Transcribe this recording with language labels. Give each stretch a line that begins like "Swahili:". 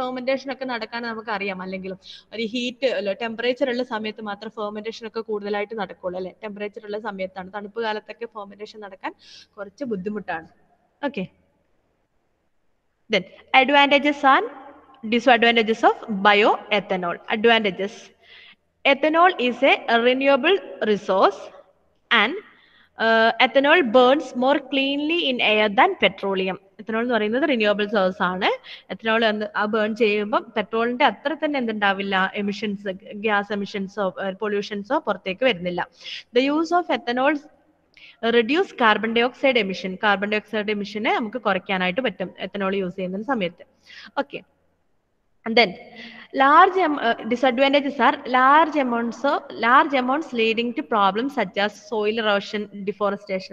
Malayalam: Fermentation ഒക്കെ നടക്കാൻ നമുക്ക് അറിയാം, അല്ലെങ്കിലും ഒരു ഹീറ്റ് അല്ലോ ടെമ്പറേച്ചർ ഉള്ള സമയത്ത് മാത്രം ഫെർമെന്റേഷൻ ഒക്കെ കൂടുതലായിട്ട് നടക്കുള്ളൂ അല്ലെ. ടെമ്പറേച്ചർ ഉള്ള സമയത്താണ്, തണുപ്പ് കാലത്തൊക്കെ ഫെർമെന്റേഷൻ നടക്കാൻ കുറച്ച് ബുദ്ധിമുട്ടാണ്.
English: Okay, then advantages and disadvantages of bioethanol. Advantages: ethanol is a renewable resource and ethanol burns more cleanly in air than petroleum.
Malayalam: Ethanol എന്ന് പറയുന്നത് റിന്യൂവബിൾ സോഴ്സ് ആണ്. എത്തനോൾ ആ ബേൺ ചെയ്യുമ്പോൾ പെട്രോളിന്റെ അത്ര തന്നെ എന്തുണ്ടാവില്ല, എമിഷൻസ്, ഗ്യാസ് എമിഷൻസോ പൊല്യൂഷൻസോ പുറത്തേക്ക് വരുന്നില്ല.
English: The use of ethanol reduce carbon dioxide emission.
Malayalam: Carbon dye oxide എമിഷനെ നമുക്ക് കുറയ്ക്കാനായിട്ട് പറ്റും എത്തനോൾ യൂസ് ചെയ്യുന്ന സമയത്ത്.
English: Okay, and then large disadvantages are large amounts leading to problems such as soil erosion, deforestation.